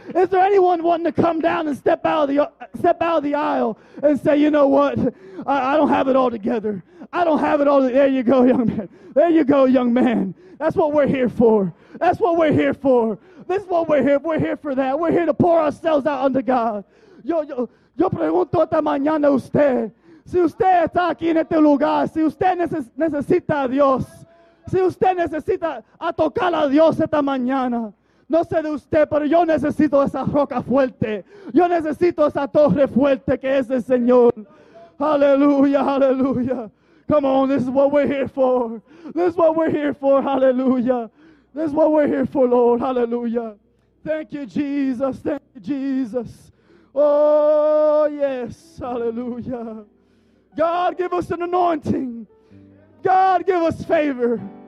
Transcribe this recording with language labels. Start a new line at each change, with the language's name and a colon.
English: Is there anyone wanting to come down and step out of the aisle and say, you know what? I don't have it all together. I don't have it all. There you go, young man. There you go, young man. That's what we're here for. That's what we're here for. This is what we're here for. We're here for that. We're here to pour ourselves out unto God.
Spanish: Yo pregunto esta mañana usted. Si usted está aquí en este lugar, si usted necesita a Dios, si usted necesita a tocar a Dios esta mañana, no sé de usted, pero yo necesito esa roca fuerte. Yo necesito esa torre fuerte que es el Señor.
English: Hallelujah, hallelujah. Come on, this is what we're here for. This is what we're here for, hallelujah. This is what we're here for, Lord, hallelujah. Thank you, Jesus, thank you, Jesus. Oh, yes, hallelujah. God, give us an anointing. God, give us favor.